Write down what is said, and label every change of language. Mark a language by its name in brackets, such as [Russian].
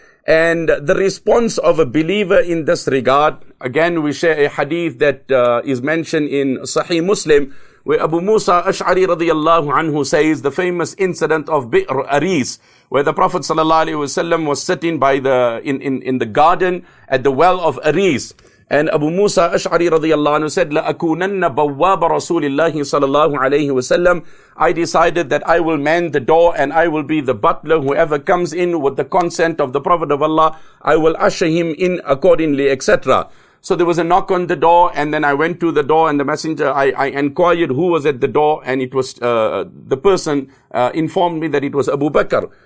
[English] And the response of a believer in this regard, again, we share a hadith that is mentioned in Sahih Muslim, where Abu Musa Ash'ari radiallahu anhu says, the famous incident of Bi'r Aris, where the Prophet sallallahu alaihi wasallam was sitting by the in the garden at the well of Aris. And Abu Musa Ash'ari radiallahu anhu said, [Arabic] لَأَكُونَنَّ بَوَّابَ رَسُولِ اللَّهِ صَلَى اللَّهُ عَلَيْهِ وَسَلَّمَ. [English] I decided that I will man the door and I will be the butler. Whoever comes in with the consent of the Prophet of Allah, I will usher him in accordingly, etc. So there was a knock on the door, and then I went to the door, and the messenger, I inquired who was at the door, and it was the person informed me that it was Abu Bakr.